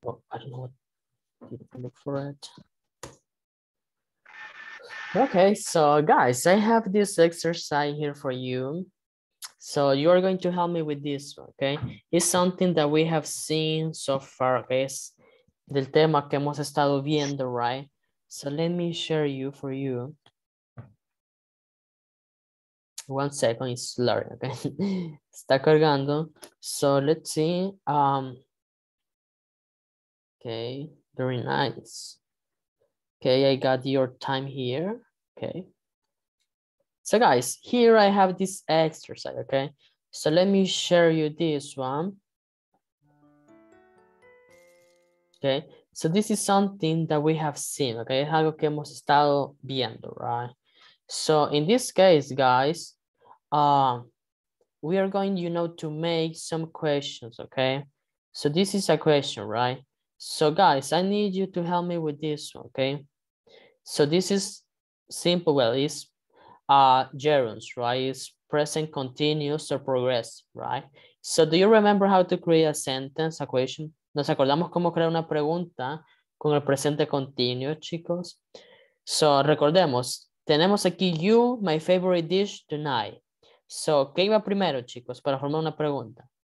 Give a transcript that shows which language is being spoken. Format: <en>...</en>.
<en>Look for it. Okay, so guys, I have this exercise here for you. So you are going to help me with this, okay? It's something that we have seen so far, okay?</en> <es>Es del tema que hemos estado viendo, right?</es> <en>So let me share you for you. One second, it's slurry, okay? Está cargando. So let's see. Okay. Very nice. Okay, I got your time here. Okay. So guys, here I have this exercise, okay? So let me share you this one. Okay, so this is something that we have seen, okay? Es algo que hemos estado viendo, right? So in this case, guys, we are going, you know, to make some questions, okay? So this is a question, right? So guys, I need you to help me with this, okay? So this is simple, well, it's gerunds, right? It's present continuous or progress, right? So do you remember how to create a sentence, a question?</en> <es>¿Nos acordamos cómo crear una pregunta con el presente continuo, chicos?</es> <en>So recordemos, tenemos aquí you, my favorite dish tonight.</en> <es>So ¿qué iba primero, chicos, para formar una pregunta?</es>